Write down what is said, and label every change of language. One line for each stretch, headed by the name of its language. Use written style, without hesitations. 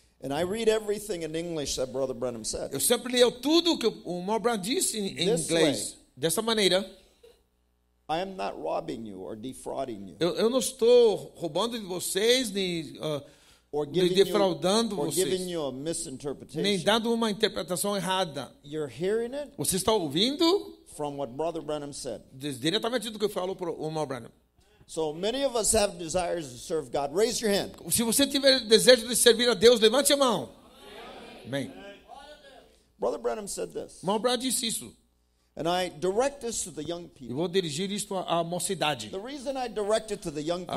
English: And I read everything in English that Brother Branham said.
Portuguese: Eu sempre leio tudo que o irmão Branham disse em
English: this
Portuguese: inglês.
English: Way,
Portuguese: dessa maneira.
English: I am not robbing you or defrauding you.
Portuguese: Eu não estou roubando de vocês nem defraudando
English: you,
Portuguese: vocês.
English: Or giving you a misinterpretation.
Portuguese: Nem dando interpretação errada.
English: You're hearing it.
Portuguese: Você está ouvindo?
English: From what Brother Branham said.
Portuguese: Diretamente do que falou para o irmão Branham.
English: So many of us have desires to serve God. Raise your hand.
Portuguese: Se você tiver desejo de servir a Deus, levante a mão. Amém.
English: Brother Branham said this.
Portuguese: Irmão Branham disse isso.
English: And I direct this to the young people.
Portuguese: Eu vou dirigir isto à mocidade.
English: The reason I direct it to the young people.